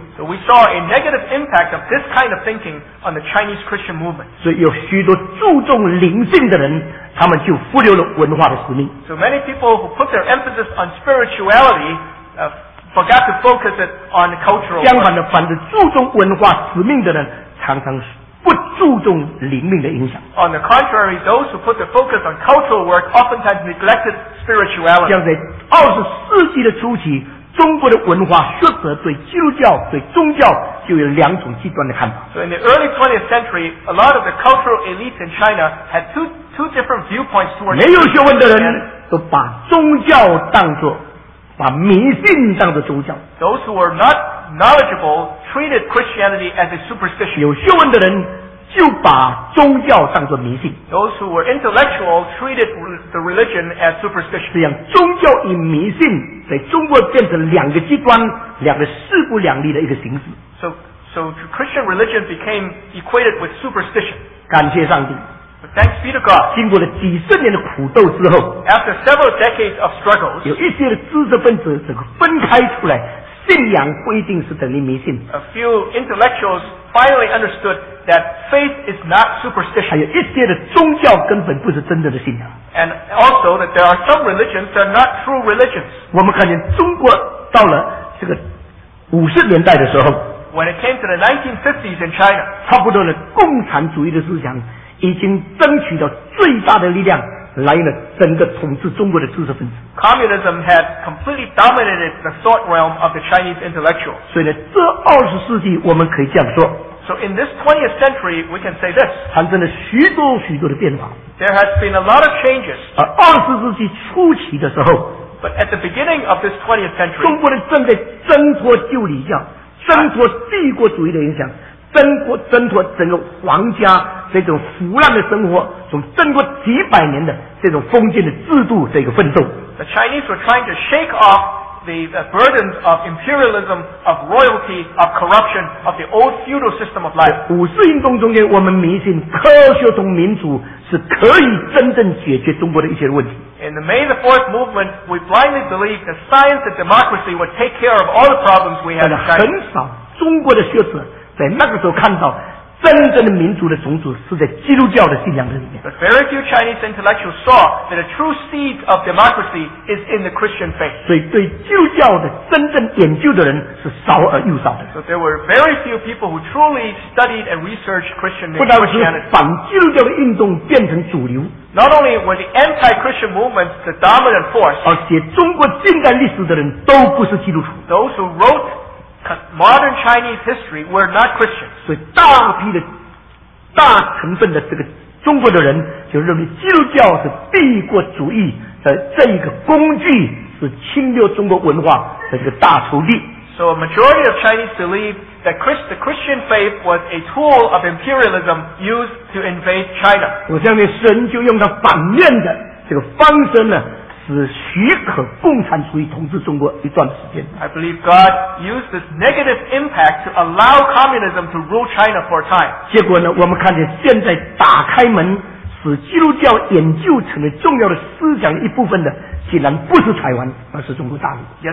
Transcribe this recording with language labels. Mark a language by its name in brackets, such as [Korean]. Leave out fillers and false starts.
[English] So we saw a negative impact of this kind of thinking on the Chinese Christian movement. [Chinese] 所以有许多注重灵性的人他们就忽略了文化的使命。 [English] So many people who put their emphasis on spirituality, forgot to focus it on the cultural. [Chinese] 相反的反正注重文化使命的人常常不注重灵命的影响。 [English] On the contrary, those who put the focus on cultural work oftentimes neglected spirituality. [Chinese] 像在二十世纪的初期中国的文化学者对基督教对宗教就有两种极端的看法。 [English] So in the early 20th century, a lot of the cultural elites in China had two different viewpoints towards. [Chinese] 没有学问的人都把宗教当作把迷信当作宗教。 [English] Those who were not knowledgeable treated Christianity as a superstition. [Chinese] 有学问的人就把宗教当作迷信。 [English] Those who were intellectual treated the religion as superstition. [Chinese] 这样宗教与迷信在中国变成两个极端，两个势不两立的一个形式。 [English] So Christian religion became equated with superstition. [Chinese] 感谢上帝。 [English] Thanks be to God. [Chinese] 经过了几十年的苦斗之后 [English] ，After several decades of struggles， [Chinese] 有一些的知识分子这个分开出来，信仰不一定是等于迷信。 [English] A few intellectuals finally understood that faith is not superstition. [Chinese] 还有一些的宗教根本不是真正的信仰。 [English] And also that there are some religions that are not true religions. [Chinese] 我们看见中国到了这个五十年代的时候 [English] ，When it came to the 1950s in China， [Chinese] 差不多的共产主义的思想。已经争取到最大的力量来了整个统治中国的知识分子。 [English] Communism had completely dominated the thought realm of the Chinese intellectual. [Chinese] 所以呢，这二十世纪我们可以这样说。 [English] So in this 20th century, we can say this. [Chinese] 产生了许多许多的变化。 [English] There has been a lot of changes. [Chinese] 而二十世纪初期的时候 [English] ，But at the beginning of this 20th century, [Chinese] 中国人正在挣脱旧礼教，挣脱帝国主义的影响。挣脱整个皇家这种腐烂的生活，从挣脱几百年的这种封建的制度这个奋斗。 [English] The Chinese were trying to shake off the burdens of imperialism, of royalty, of corruption, of the old feudal system of life. [Chinese] 五四运动中间，我们迷信科学同民主是可以真正解决中国的一些问题。 [English] In the May the 4th movement, we blindly believed that science and democracy would take care of all the problems we had in China. [Chinese] 很少中国的学者。在那个时候看到真正的民族的种子是在基督教的信仰的里面。 [English] But very few Chinese intellectuals saw that a true seed of democracy is in the Christian faith. [Chinese] 所以对基督教的真正研究的人是少而又少的。 [English] So there were very few people who truly studied and researched Christian faith. [Chinese] 不单是反基督教的运动变成主流。 [English] Not only were the anti-Christian movements the dominant force. [Chinese] 而且中国近代历史的人都不是基督徒。 [English] Those who wrote modern Chinese history were not Christians. [Chinese] 所以大批的大成分的这个中国的人就认为基督教是帝国主义的这一个工具，是侵略中国文化的这个大仇敌。 [English] So a majority of Chinese believed that the Christian faith was a tool of imperialism used to invade China. [Chinese] 我相信神就用他反面的这个方针呢。使许可共产主义统治中国一段时间。 [English] I believe God used this negative impact to allow communism to rule China for a time. [Chinese] 结果呢，我们看见现在打开门使基督教研究成了重要的思想一部分的，竟然不是台湾，而是中国大陆。